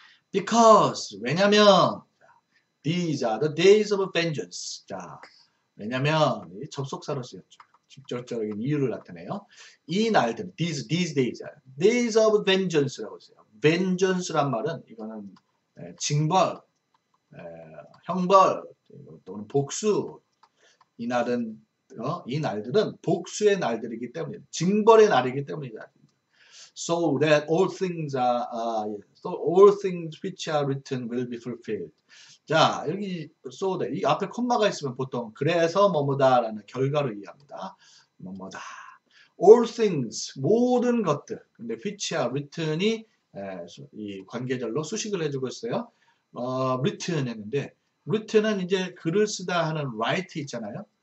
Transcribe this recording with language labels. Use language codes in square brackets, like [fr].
[en] Because [ko] 왜냐면 [en] these are the days of vengeance. [ko] 자, 왜냐면 접속사로 쓰였죠. 직접적인 이유를 나타내요. 이 날들, [en] these days, days of vengeance [ko] 라고 쓰여요. vengeance란 말은 이거는 징벌, 형벌 또는 복수. 이 날들은 복수의 날들이기 때문에, 징벌의 날이기 때문이다. [en] So that all things are, so all things which are written will be fulfilled. [ko] 자, 여기 [en] so that [ko] 이 앞에 콤마가 있으면 보통 그래서 뭐뭐다라는 결과로 이해합니다. 뭐뭐다. [en] All things, [ko] 모든 것들. 근데 [en] which are written [ko] 이 이 관계절로 수식을 해주고 있어요. written 했는데, written은 이제 글을 쓰다 하는 write 있잖아요.